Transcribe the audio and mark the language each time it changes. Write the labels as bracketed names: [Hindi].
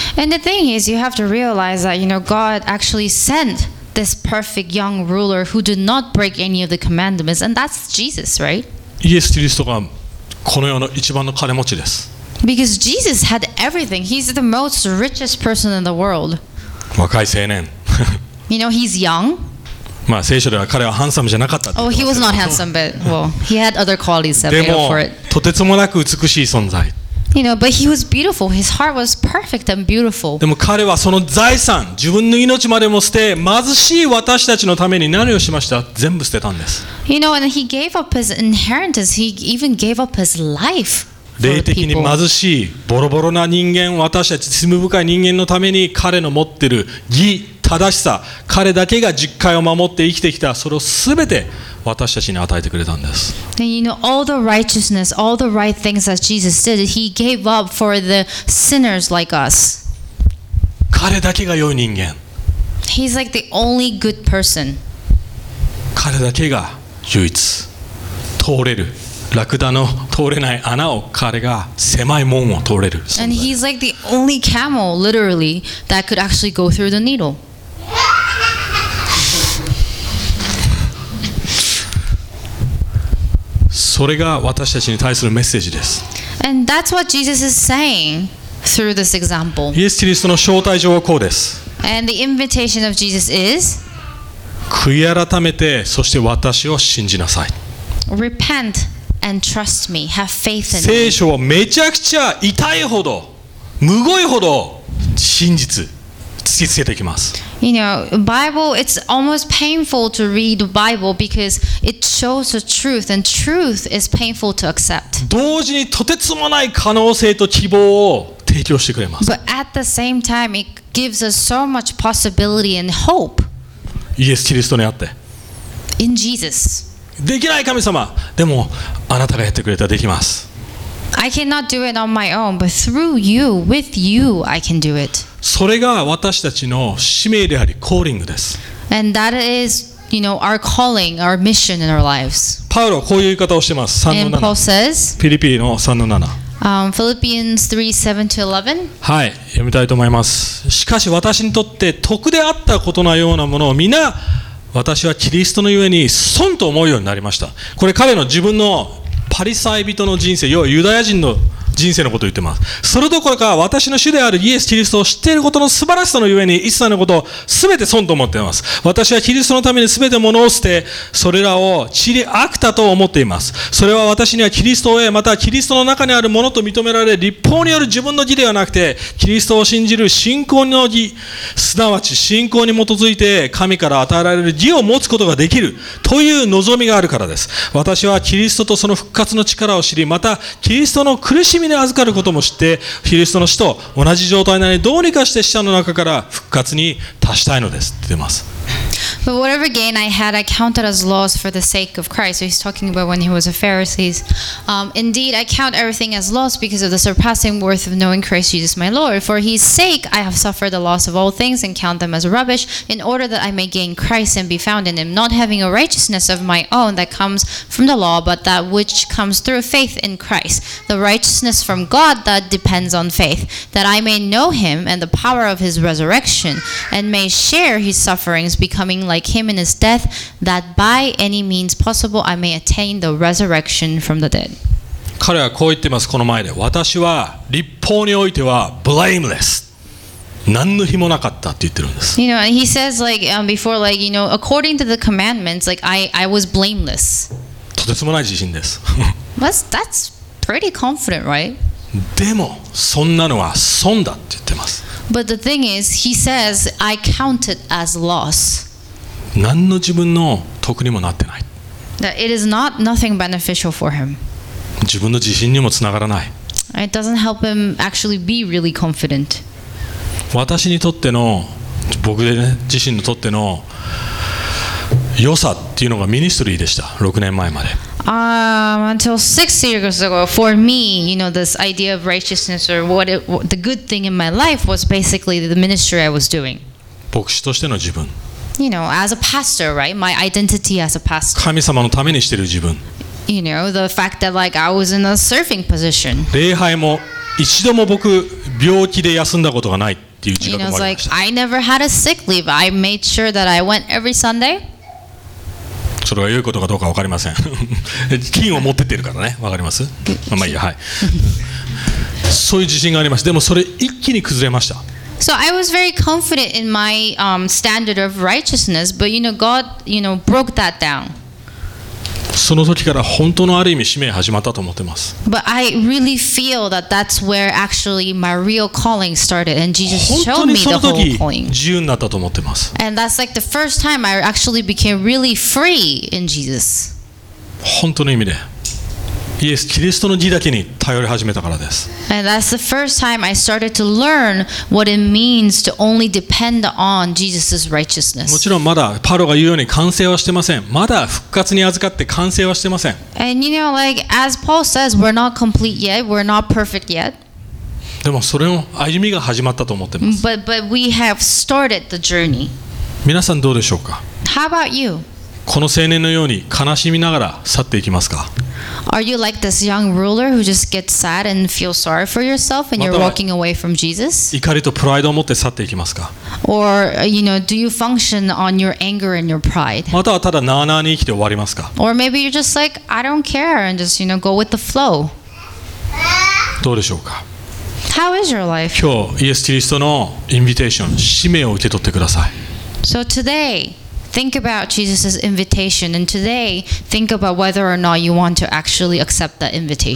[English] And the thing is, you have to realize that, you know, God actually sent this perfect young ruler who did not break any of the commandments, and that's Jesus, right? [Japanese] イエス・キリストがこの世の一番の金持ちです。 [English] Because Jesus had everything. He's the most richest person in the world. [Japanese] 若い青年。 [English] You know, he's young. [Japanese] まあ聖書では彼はハンサムじゃなかったって [English] 。Oh, he was not handsome, but well, he had other qualities that made up for it. [Japanese] でもとてつもなく美しい存在。 [English] You know, but he was beautiful. His heart was perfect and beautiful. [Japanese] でも彼はその財産、自分の命までも捨て、貧しい私たちのために何をしました？全部捨てたんです。 [English] You know, and he gave up his inheritance. He even gave up his life. [Japanese] 霊的に貧しい、ボロボロな人間、私たち罪深い人間のために彼の持ってる義、正しさ、彼だけが実戒を守って生きてきた、それをすべて私たちに与えてくれたんです。 [English] And you know, all the righteousness, all the right things that Jesus did, he gave up for the sinners like us. [Japanese] 彼だけが良い人間。 [English] He's like the only good person. [Japanese] 彼だけが唯一、通れる。ラクダの通れない穴を彼が狭い門を通れる。 [English] And he's like the only camel, literally, that could actually go through the needle. [Japanese] それが私たちに対するメッセージです。 [English] And that's what Jesus is saying through this example. [Japanese] イエス・キリストの招待状はこうです。 [English] And the invitation of Jesus is? [Japanese] 悔い改めて、そして私を信じなさい。 [English] Repent and trust me. Have faith in me. [Japanese] 聖書はめちゃくちゃ痛いほど、むごいほど真実。突きつけていきます。 [English] You know, Bible, it's almost painful to read the Bible because it shows the truth, and truth is painful to accept. [Japanese] 同時にとてつもない可能性と希望を提供してくれます。 [English] But at the same time, it gives us so much possibility and hope. [Japanese] イエス・キリストにあって。 [English] In Jesus. [Japanese] できない神様、でもあなたがやってくれたらできます。 [English] I cannot do it on my own, but through you, with you, I can do it. [Japanese] それが私たちの使命であり、コーリングです。 [English] And that is, you know, our calling, our mission in our lives. [Japanese] パウロはこういう言い方をしています。 3の7。 [English] And Paul says, [Japanese] フィリピの3の7。 [English] Philippians 3:7-11. [Japanese] はい、読みたいと思います。しかし私にとって得であったことのようなものを皆、私はキリストのゆえに損と思うようになりました。これ彼の自分のパリサイ人の人生、要はユダヤ人の人生のことを言ってます。それどころか私の主であるイエス・キリストを知っていることの素晴らしさのゆえに一切のことを全て損と思っています。私はキリストのために全てものを捨て、それらを散り悪だと思っています。それは私にはキリストを得、またキリストの中にあるものと認められ、立法による自分の義ではなくて、キリストを信じる信仰の義、すなわち信仰に基づいて神から与えられる義を持つことができるという望みがあるからです。私はキリストとその復活の力を知り、またキリストの苦しみに預かることも知って、キリストの死と同じ状態なのにどうにかして死者の中から復活に達したいのですって出ます。 [English] But whatever gain I had, I counted as loss for the sake of Christ. So he's talking about when he was a Pharisee. Indeed, I count everything as loss because of the surpassing worth of knowing Christ Jesus my Lord. For his sake, I have suffered the loss of all things and count them as rubbish in order that I may gain Christ and be found in him, not having a righteousness of my own that comes from the law, but that which comes through faith in Christ, the righteousness from God that depends on faith, that I may know him and the power of his resurrection and may share his sufferings, becoming like him in his death, that by any means possible I may attain the resurrection from the dead. [Japanese] 彼はこう言ってます。この前で、私は律法においては blameless、何の非もなかったって言ってるんです。 [English] You know, he says like before, like you know, according to the commandments, like I was blameless. [Japanese] とてつもない自信です。 [English] That's pretty confident, right? [Japanese] でもそんなのは損だって言ってます。 [English] But the thing is, he says I count it as loss. [Japanese] 何の自分の得にもなってない。 [English] That it is not nothing beneficial for him. [Japanese] 自分の自信にもつながらない。 [English] It doesn't help him actually be really confident. [Japanese] 私にとっての、僕自身にとっての良さっていうのがミニストリーでした。 6年前まで。 [English] Until 6 years ago, for me, you know, this idea of righteousness or what it, the good thing in my life was basically the ministry I was doing. [Japanese] 牧師としての自分。 [English] You know, as a pastor, right? My identity as a pastor. [Japanese] 神様のためにしてる自分。 [English] You know, the fact that like I was in a serving position. [Japanese] 礼拝も一度も僕病気で休んだことがないっていう自覚もありました。 [English] You know, it's like I never had a sick leave. I made sure that I went every Sunday. [Japanese] それは良いことかどうかわかりません。金を持ってってるからね。わかります？まあいいや、はい。そういう自信があります。でもそれ一気に崩れました。 [English] So I was very confident in my standard of righteousness, but you know, God, you know, broke that down. [Japanese] その時から本当のある意味使命始まったと思ってます。 [English] But I really feel that that's where actually my real calling started, and Jesus showed me the whole calling. [Japanese] 自由になったと思ってます。 [English] And that's like the first time I actually became really free in Jesus. [Japanese] 本当の意味で。イエス・キリストの義だけに頼り始めたからです。 [English] And that's the first time I started to learn what it means to only depend on Jesus' righteousness. [Japanese] もちろんまだパロが言うように完成はしてません。まだ復活に預かって完成はしてません。 [English] And you know, like as Paul says, we're not complete yet. We're not perfect yet. [Japanese] でもそれの歩みが始まったと思ってます。 [English] But we have started the journey. [Japanese] 皆さんどうでしょうか。 [English] How about you? [Japanese] この青年のように悲しみながら去っていきますか。 [English] Are you like this young ruler who just gets sad and feels sorry for yourself and you're walking away from Jesus? [Japanese] 怒りとプライドを持って去っていきますか? [English] Or, you know, do you function on your anger and your pride? [Japanese] またはただなあなあに生きて終わりますか? [English] Or maybe you're just like, I don't care and just, you know, go with the flow. [Japanese] どうでしょうか? [English] How is your life? [Japanese] 今日、イエス・キリストのインビテーション、使命を受け取ってください。 [English] So today,Think about Jesus' invitation, and today, think about whether or not you want to actually accept that invitation.